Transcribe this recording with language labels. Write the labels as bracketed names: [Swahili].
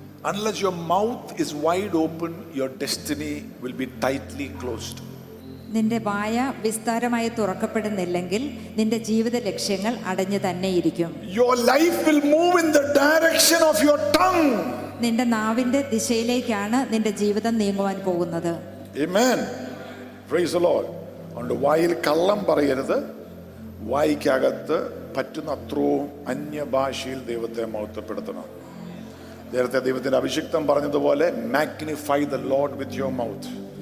[English] Unless your mouth is wide open, your destiny will be tightly closed. [Malayalam] നിന്റെ വായ വിസ്താരമായി തുറക്കപ്പെടുന്നില്ലെങ്കിൽ നിന്റെ ജീവിത ലക്ഷ്യങ്ങൾ അടഞ്ഞു തന്നെ ഇരിക്കും. [English] Your life will move in the direction of your tongue. [Malayalam] നിന്റെ നാവിന്റെ ദിശയിലേക്കാണ് നിന്റെ ജീവിതം നീങ്ങുവാൻ പോകുന്നത്. Amen. [English] Praise the Lord. [Malayalam] അണ്ട് വായിൽ കള്ളം പറയരുത്. വായിക്കകത്ത് പറ്റുന്നത്രയും അന്യഭാഷയിൽ ദൈവത്തെ മഹത്വപ്പെടുത്തണം. നേരത്തെ ദൈവത്തിന്റെ അഭിഷിക്തം പറഞ്ഞതുപോലെ, [English] Magnify the Lord with your mouth.